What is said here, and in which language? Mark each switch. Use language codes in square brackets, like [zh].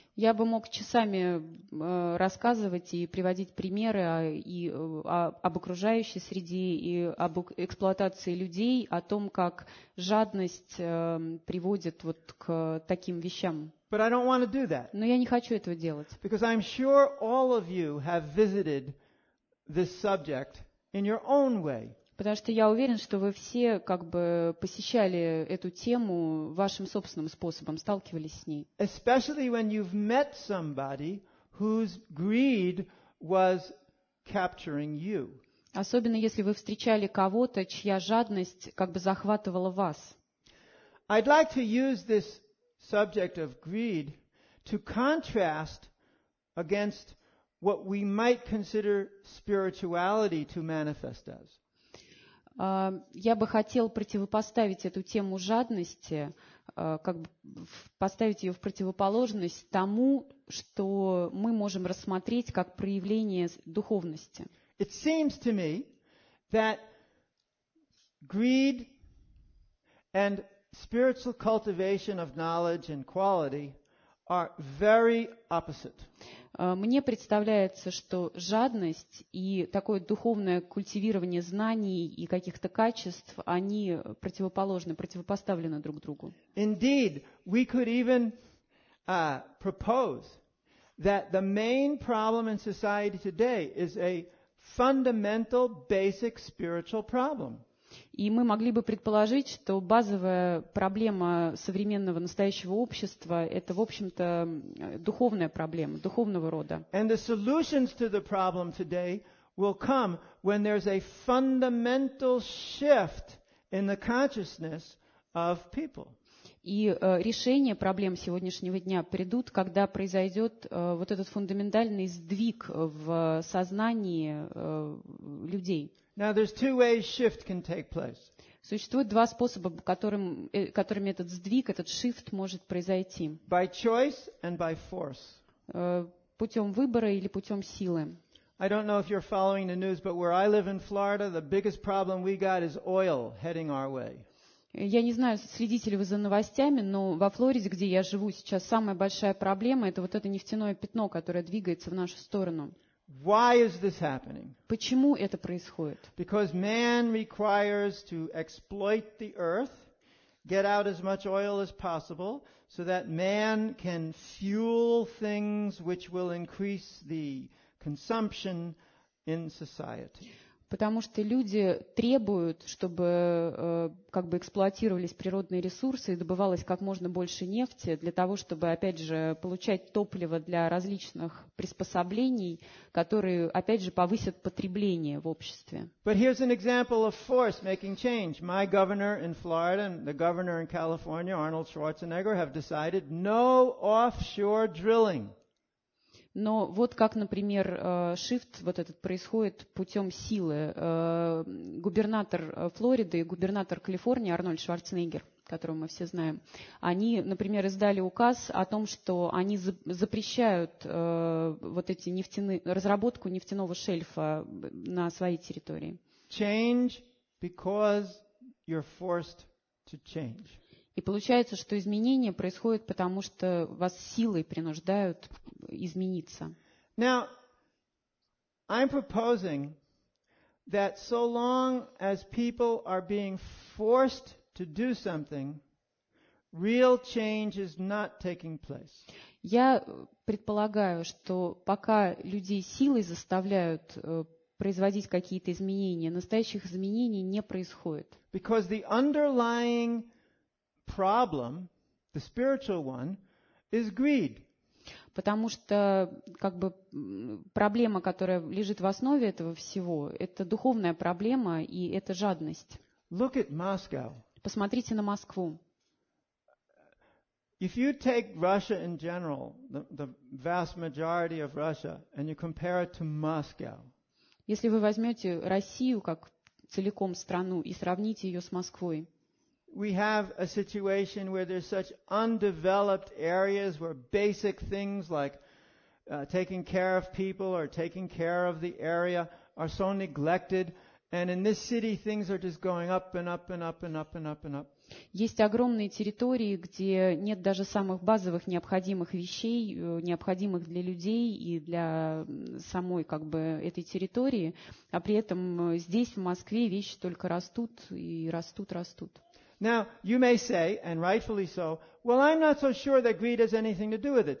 [ru] Я бы мог часами рассказывать и приводить примеры об окружающей среде и об эксплуатации людей, о том, как жадность приводит вот к таким вещам. [en] But I don't want to do that. [ru] Но я не хочу этого делать. [en] Because I'm sure all of you have visited this subject in your own way. [ru] Потому что я уверен, что вы все как бы посещали эту тему вашим собственным способом, сталкивались с ней. [en] Especially when you've met somebody whose greed was capturing you. [ru] Особенно если вы встречали кого-то, чья жадность как бы захватывала вас. [en] I'd like to use this subject of greed to contrast against what we might consider spirituality to manifest as. [ru] Я бы хотел противопоставить эту тему жадности, как бы поставить ее в противоположность тому, что мы можем рассмотреть как проявление духовности. [en] It seems to me that greed and spiritual cultivation of knowledge and quality are very opposite. [ru] Мне представляется, что жадность и такое духовное культивирование знаний и каких-то качеств, они противоположны, противопоставлены друг другу. [en] Indeed, we could even propose that the main problem in society today is a fundamental basic spiritual problem. [ru] И мы могли бы предположить, что базовая проблема современного настоящего общества – это, в общем-то, духовная проблема, духовного рода. [en] And the solutions to the problem today will come when there's a fundamental shift in the consciousness of people. [ru] И решения проблем сегодняшнего дня придут, когда произойдет вот этот фундаментальный сдвиг в сознании людей. [en] Now there's two ways shift can take place. [ru] Существует два способа, которыми этот сдвиг, этот shift может произойти. [en] By choice and by force. [ru] Путем выбора или путем силы. [en] I don't know if you're following the news, but where I live in Florida, the biggest problem we got is oil heading our way. [ru] Я не знаю, следите ли вы за новостями, но во Флориде, где я живу сейчас, самая большая проблема – это вот это нефтяное пятно, которое двигается в нашу сторону. [en] Why is this happening? [ru] Почему это происходит? [en] Because man requires to exploit the earth, get out as much oil as possible, so that man can fuel things which will increase the consumption in society. [ru] Потому что люди требуют, чтобы как бы эксплуатировались природные ресурсы и добывалось как можно больше нефти для того, чтобы, опять же, получать топливо для различных приспособлений, которые, опять же, повысят потребление в обществе. [en] But here's an example of force making change. My governor in Florida and the governor in California, Arnold Schwarzenegger, have decided no offshore drilling. [ru] Но вот как, например, shift вот этот происходит путем силы. Губернатор Флориды и губернатор Калифорнии Арнольд Шварценеггер, которого мы все знаем, они, например, издали указ о том, что они запрещают вот эти разработку нефтяного шельфа на своей территории. [en] Change because you're forced to change. [ru] И получается, что изменения происходят, потому что вас силой принуждают измениться. [en] Now, I'm proposing that so long as people are being forced to do something, real change is not taking place. [ru] Я предполагаю, что пока людей силой заставляют производить какие-то изменения, настоящих изменений не происходит. [en] Because the underlying problem, the spiritual one, is greed. [ru] Потому что как бы проблема, которая лежит в основе этого всего, это духовная проблема и это жадность. [en] Look at Moscow. [ru] Посмотрите на Москву. [en] If you take Russia in general, the vast majority of Russia, and you compare it to Moscow. [ru] Если вы возьмете Россию как целиком страну и сравните ее с Москвой. [en] We have a situation where there's such undeveloped areas where basic things like taking care of people or taking care of the area are so neglected. And in this city, things are just going up and up and up and up and up and up. [ru] Есть огромные территории, где нет даже самых базовых необходимых вещей, необходимых для людей и для самой как бы этой территории, а при этом здесь в Москве вещи только растут и растут, растут. [en] Now you may say, and rightfully so, well, I'm not so sure that greed has anything to do with it.